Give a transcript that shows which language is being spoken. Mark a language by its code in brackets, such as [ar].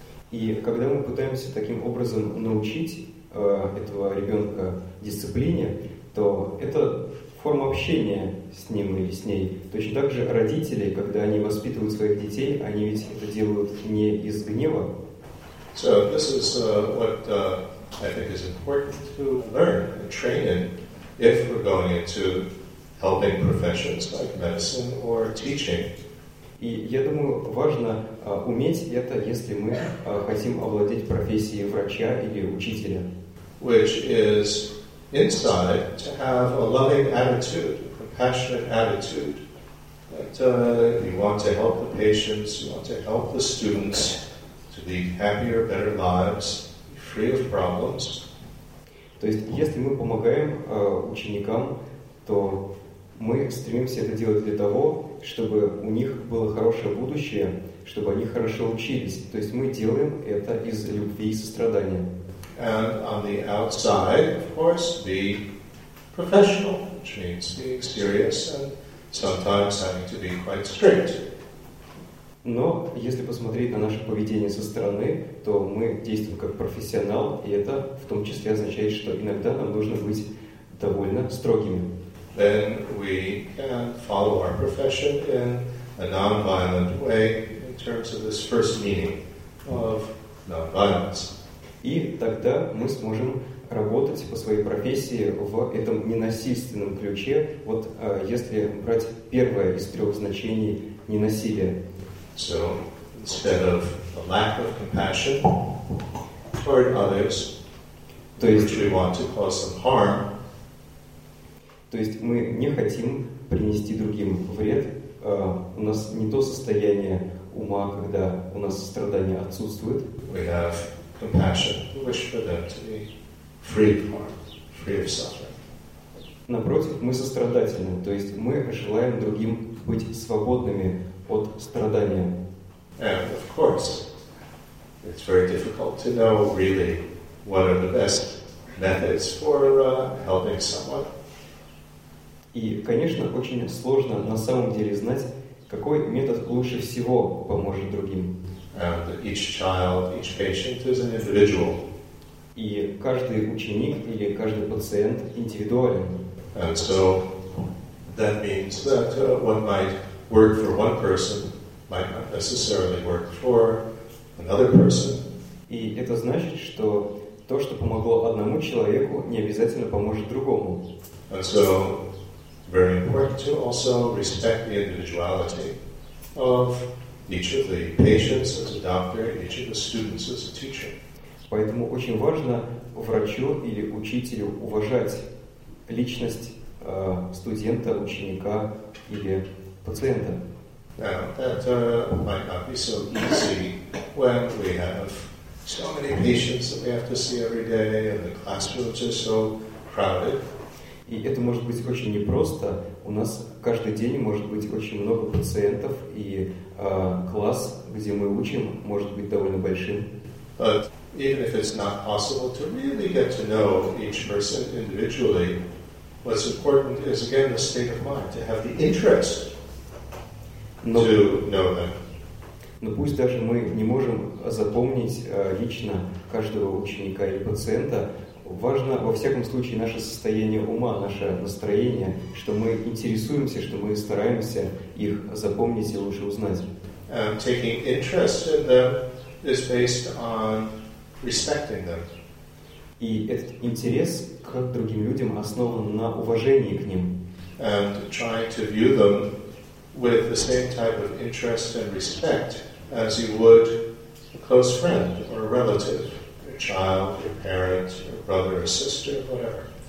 [ru] И когда мы пытаемся таким образом научить этого ребенка дисциплине, то это форма общения с ним или с ней. Точно так же родители, когда они воспитывают своих детей, они ведь это делают не из гнева. [en] So this is what I think is important to learn and train in if we're going into helping professions like medicine or teaching. [ru] И я думаю, важно уметь это, если мы хотим овладеть профессией врача или учителя. [en] Which is inside to have a loving attitude, a compassionate attitude. You want to help the patients, you want to help the students to lead happier, better lives, free of problems. [ru] То есть, если мы помогаем ученикам, то мы стремимся это делать для того, чтобы у них было хорошее будущее, чтобы они хорошо учились. То есть мы делаем это из любви и сострадания. [en] And on the outside, of course, be professional, which means being serious and sometimes having to be quite strict. [ru] Но если посмотреть на наше поведение со стороны, то мы действуем как профессионал, и это в том числе означает, что иногда нам нужно быть довольно строгими. [en] Then we can follow our profession in a non-violent way in terms of this first meaning of non-violence. [ru] И тогда мы сможем работать по своей профессии в этом ненасильственном ключе, вот если брать первое из трех значений ненасилия. [en] So, instead of a lack of compassion toward others, [ru] то есть, [en] which we want to cause some harm, [ru] то есть мы не хотим принести другим вред, у нас не то состояние ума, когда у нас страдания отсутствуют. [en] We have compassion. We wish for them to be free of harm, free of suffering. [ru] Напротив, мы сострадательны, то есть мы желаем другим быть свободными от страдания. [en] And of course, it's very difficult to know really what are the best methods for helping someone. [ru] И, конечно, очень сложно на самом деле знать, какой метод лучше всего поможет другим. [en] And each child, each patient is an individual. [ru] И каждый ученик или каждый пациент индивидуален. [en] And so that means that what might work for one person might not necessarily work for another person. [ru] И это значит, что то, что помогло одному человеку, не обязательно поможет другому. [en] And so very important to also respect the individuality of each of the patients as a doctor, each of the students as a teacher. [ru] Поэтому очень важно врачу или учителю уважать личность студента, ученика или пациента. [en] Now, that might not be so easy when we have so many patients that we have to see every day and the classrooms are so crowded. [ru] И это может быть очень непросто. У нас каждый день может быть очень много пациентов, и класс, где мы учим, может быть довольно большим. [en] But even if it's not possible to really get to know each person individually, what's important is, again, the state of mind, to have the interest to know them. [ru] Но пусть даже мы не можем запомнить лично каждого ученика или пациента, важно, во всяком случае, наше состояние ума, наше настроение, что мы интересуемся, что мы стараемся их запомнить и лучше узнать. [en] And taking interest in them is based on respecting them. [ru] И этот интерес к другим людям основан на уважении к ним. [en] And trying to view them with the same type of interest and respect as you would a close friend or a relative. Child, your parent, your brother, or sister, whatever.